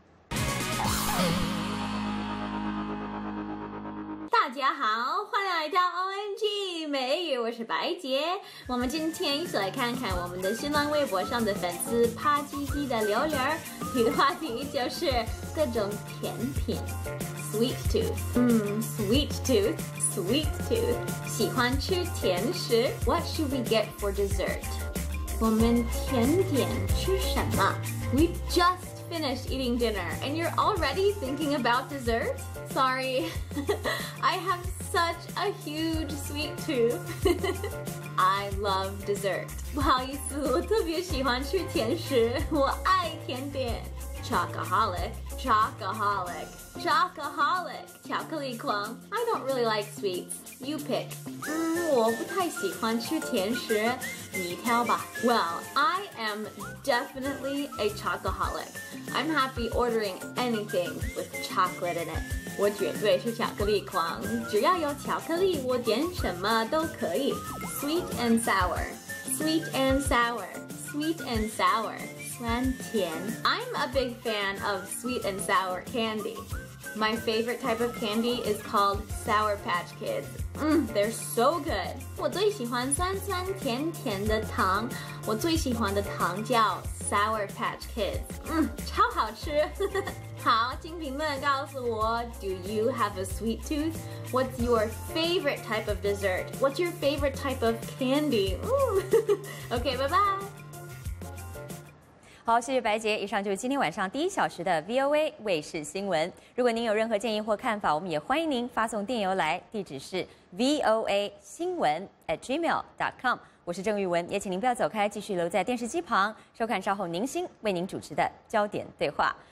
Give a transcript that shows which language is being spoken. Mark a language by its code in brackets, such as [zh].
[zh] 大家好，欢迎来到 OMG 美语，我是白杰。我们今天一起来看看我们的新浪微博上的粉丝啪唧唧的留言，与话题就是各种甜品 ， [en] sweet tooth， sweet tooth， sweet tooth， [zh] 喜欢吃甜食。 [en] What should we get for dessert？ [zh] 我们甜点吃什么 [en] ？We just finished eating dinner， and you're already thinking about dessert？ Sorry, I have such a huge sweet tooth. I love dessert. [zh] 不好意思，我特别喜欢吃甜食，我爱甜点。 [en] Chocoholic, chocoholic, chocoholic, [zh] 巧克力狂。 [en] I don't really like sweets. You pick. [zh] 我不太喜欢吃甜食，你挑吧。 [en] Well, I am definitely a chocoholic. I'm happy ordering anything with chocolate in it. [zh] 我绝对是巧克力狂，只要有巧克力，我点什么都可以。 [en] Sweet and sour, sweet and sour, sweet and sour, [zh] 酸甜。 [en] I'm a big fan of sweet and sour candy. My favorite type of candy is called Sour Patch Kids. They're so good. [zh] 我最喜欢酸酸甜甜的糖，我最喜欢的糖叫 Sour Patch Kids. 超好吃。好，请评论告诉我 [en] ，Do you have a sweet tooth? What's your favorite type of dessert? What's your favorite type of candy? Okay, bye bye. [zh] 好，谢谢白杰。以上就是今天晚上第一小时的 VOA 卫视新闻。如果您有任何建议或看法，我们也欢迎您发送电邮来，地址是 voa.gmail.com。我是郑玉文，也请您不要走开，继续留在电视机旁收看稍后宁馨为您主持的焦点对话。